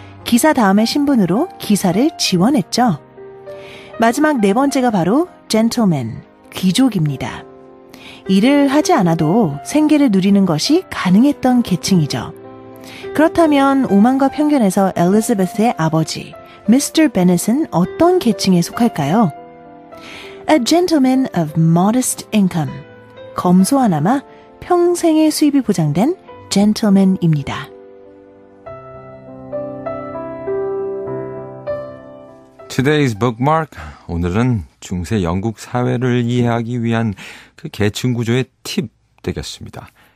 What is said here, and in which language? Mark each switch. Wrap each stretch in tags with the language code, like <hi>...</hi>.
<ko>기사 다음의 신분으로 기사를 지원했죠. 마지막 네 번째가 바로 gentleman, 귀족입니다. 일을 하지 않아도 생계를 누리는 것이 가능했던 계층이죠. 그렇다면 오만과 편견에서 엘리자베스의 아버지, Mr. Bennet은 어떤 계층에 속할까요?</ko> <en>A gentleman of modest income.</en> <ko>검소하나마 평생의 수입이 보장된 gentleman입니다. 'Today's bookmark' 오늘은 중세 영국 사회를 이해하기 위한 그 계층 구조의 팁 되겠습니다.</ko>